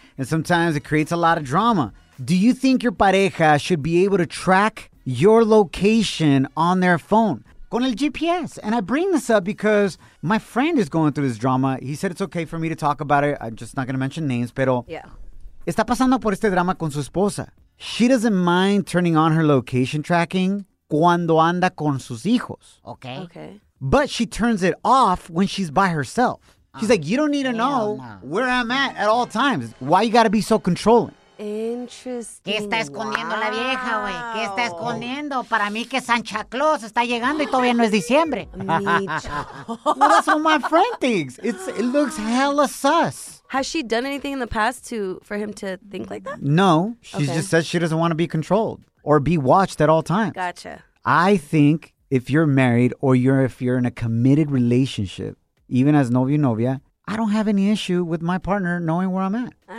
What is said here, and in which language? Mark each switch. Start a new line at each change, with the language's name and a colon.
English: And sometimes it creates a lot of drama. Do you think your pareja should be able to track your location on their phone?
Spanish: Con el GPS.
English: And I bring this up because my friend is going through this drama. He said it's okay for me to talk about it. I'm just not going to mention names, pero... Yeah.
Spanish: Está pasando por este drama con su esposa.
English: She doesn't mind turning on her location tracking
Spanish: cuando anda con sus hijos.
English: Okay. Okay. But she turns it off when she's by herself. She's like, you don't need to know where I'm at all times. Why you gotta be so controlling? Interesting.
Spanish: ¿Qué está escondiendo la vieja, güey? ¿Qué está escondiendo? Para mí que Santa Claus está llegando y todavía no es diciembre.
English: Well, that's what my friend thinks. It looks hella sus. Has she done anything in the past for him to think like that? No. She just says she doesn't want to be controlled. Or be watched at all times. Gotcha. I think if you're married or you're if you're in a committed relationship, even as novio novia, I don't have any issue with my partner knowing where I'm at.